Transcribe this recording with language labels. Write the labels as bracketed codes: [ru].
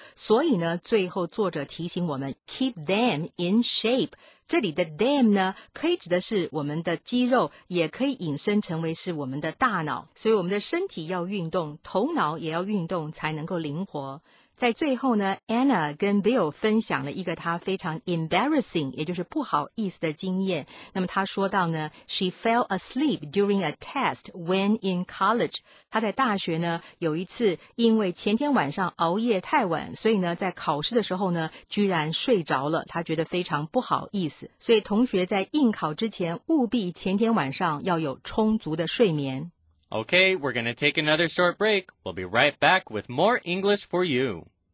[zh] 所以呢最后作者提醒我们 [en] keep them in shape， [zh] 这里的 them 呢可以指的是我们的肌肉，也可以引申成为是我们的大脑，所以我们的身体要运动，头脑也要运动才能够灵活。在最后呢， Anna 跟 Bill 分享了一个他非常 embarrassing 也就是不好意思的经验。那么他说到呢， [en] She fell asleep during a test when in college。 [zh] 他在大学呢有一次因为前天晚上熬夜太晚，所以呢在考试的时候呢居然睡着了，他觉得非常不好意思。所以同学在应考之前务必前天晚上要有充足的睡眠。 [en] Okay, we're going to take another short break. We'll be right back with more English for you.